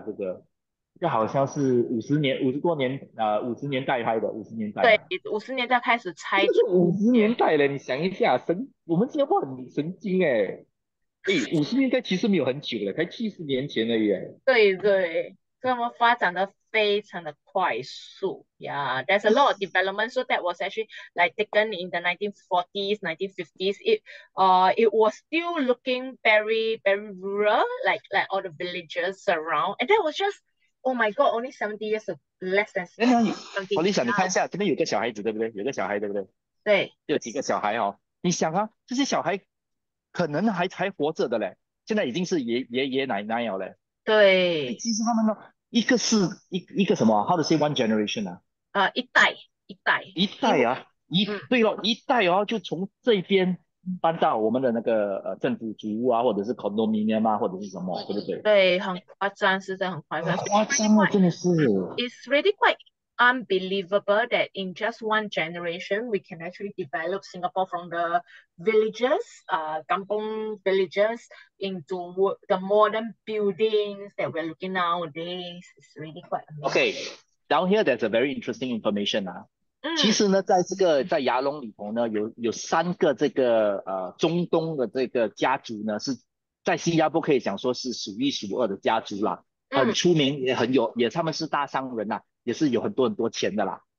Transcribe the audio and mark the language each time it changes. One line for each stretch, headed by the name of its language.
Chinese: 这个好像是50年代拍的，50年代对，啊， 50年代开始拆这个是除。 50年代了。你想一下，我们新加坡很神经哎，50年代其实没有很久了，才70年前而已哎。对对，这么发展的非常的快速呀。
English: Yeah, there's a lot of development, so that was actually like taken in the 1940s, 1950s. It was still looking very, very rural, like all the villages around. And that was just, oh my God, only 70 years of less than 70
Chinese: 那你，我理想，你看一下，这边有个小孩子，对不对？有个小孩，对不对？
English: years. 对。
Chinese: 有几个小孩哦，你想啊，这些小孩可能还活着的嘞，现在已经是爷爷奶奶了嘞。所以对，其实他们呢，一个什么？
English: How to say one generation
Chinese: 啊？一代，一因为，代啊，一，对咯，一代哦，就从这边搬到我们的那个政府租屋啊，或者是 condominium 啊，或者是什么，对不对？对，很夸张，是真的很夸很张。夸张哦，真的是。
English: It's really quite unbelievable that in just one generation we can actually develop Singapore from the villages, kampung villages into the modern buildings that we're looking nowadays. It's really quite amazing. Okay, down here there's a very interesting information 啊。
Chinese: 其实呢，在牙龙里头呢，有三个这个中东的这个家族呢，是在新加坡可以讲说是数一数二的家族啦，很出名，也很有，也他们是大商人呐，也是有很多钱的啦。